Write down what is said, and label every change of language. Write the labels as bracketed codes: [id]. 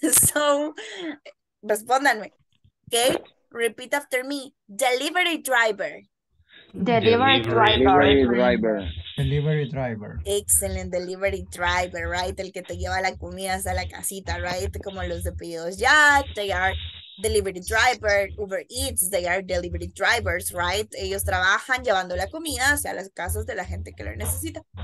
[en] So, respóndanme. Okay. Repeat after me. Delivery driver. Delivery driver. Excellent, delivery driver, right? [es] El que te lleva la comida hasta la casita, right? Como los de pedidos ya, [en] they are delivery driver, Uber Eats, they are delivery drivers, right? [es] Ellos trabajan llevando la comida hacia las casas de la gente que lo necesita.